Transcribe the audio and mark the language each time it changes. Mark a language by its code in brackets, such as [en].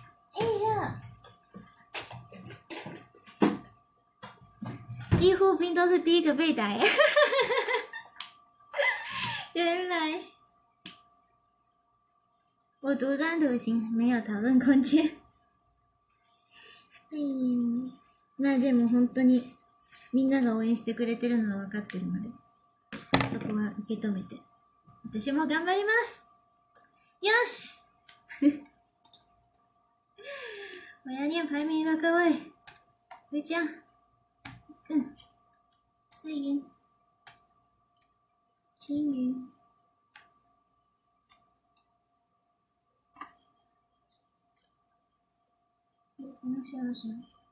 [zh] 哎呀，医护兵都是第一个被打呀！原来我独断独行，没有讨论空间。 [ja] 哎呀，まあでも本当にみんなが応援してくれてるのは分かってるので、そこは受け止めて、私も頑張ります。よし。 [zh] 我要念排名了，各位，回家。嗯，碎云，青云，我要笑什么？